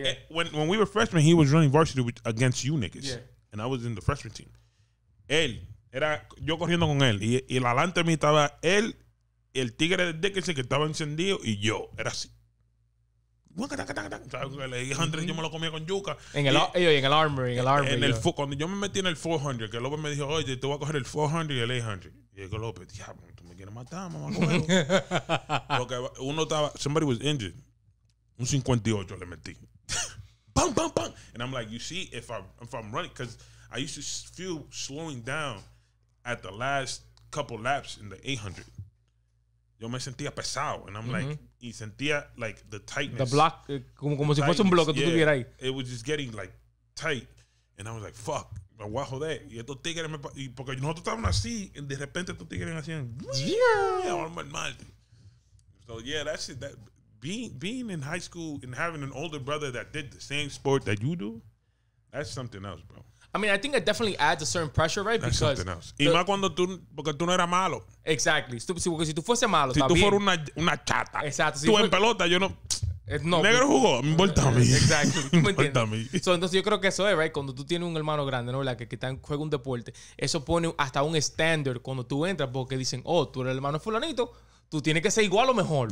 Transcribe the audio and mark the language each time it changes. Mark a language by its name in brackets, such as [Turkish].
[English] When we were freshmen, he was running varsity against you niggas. Yeah. And I was in the freshman team. [Spanish] Él era yo corriendo con él. Y adelante de mí estaba él, el tigre de Dickinson que estaba encendido, y yo. Era así. Le dije a Andrés, yo me lo comía con yuca. En el armory. Cuando yo me metí en el 400, que López me dijo, oye, te voy a coger el 400 y el 800. Y dijo, López, diablo, tú me quieres matar, mamá. Porque uno estaba, [English] somebody was injured. [Spanish] Un 58 le metí. Bam, bam, bam. [English] And I'm like, you see, if I'm running, because I used to feel slowing down at the last couple laps in the 800. [Spanish] Yo me sentía pesado. [English] And I'm like, [Spanish] y sentía [English] like the tightness. [Spanish] The block, como si fuese un bloque que tú tuvieras ahí. [English] It was just getting like tight. And I was like, fuck, [Spanish] me voy a joder. Y estos tigres me. Y porque nosotros estábamos así, y de repente estos tigres hacían. [English] Yeah. So, yeah, that's it. That, being in high school and having an older brother that did the same sport that you do, that's something else, bro. I mean, I think it definitely adds a certain pressure, right? That's because something else. [Spanish] Y más cuando tú, porque tú no eras malo. Exactly. Sí, porque si tú fuese malo, si tú fueras una chata. Exacto. Si tú en pelota, yo no. No. Negro jugó, me importa a mí. Exacto. Me importa a mí. So, entonces yo creo que eso es, right? Cuando tú tienes un hermano grande, ¿no? Que está en juego un deporte, eso pone hasta un estándar cuando tú entras, porque dicen, oh, tú eres el hermano fulanito, tú tienes que ser igual o mejor.